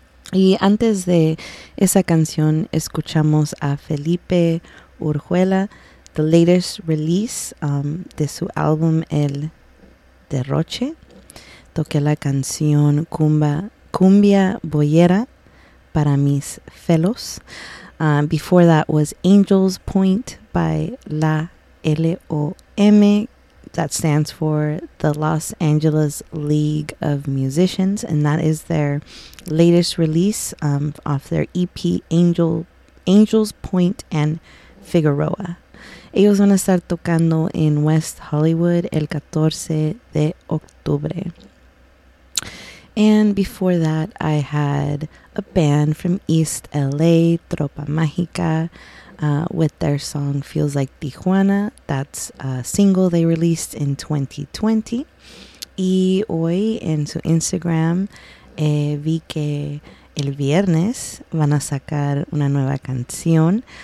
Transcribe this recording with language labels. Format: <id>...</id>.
<es>Y antes de esa canción, escuchamos a Felipe Urjuela,</es> <en>the latest release</en> <es>de su álbum El Derroche. Toqué la canción Cumbia Boyera para mis felos.</es> <en>Before that was Angel's Point by La L-O-M. That stands for the Los Angeles League of Musicians, and that is their latest release off their EP Angel's Point and Figueroa.</en> <es>Ellos van a estar tocando</es> <en>in West Hollywood</en> <es>el 14 de octubre.</es> <en>And before that, I had a band from East LA, Tropa Mágica, with their song Feels Like Tijuana. That's a single they released in 2020.</en> <es>Y hoy en su Instagram vi que el viernes van a sacar una nueva canción.</es>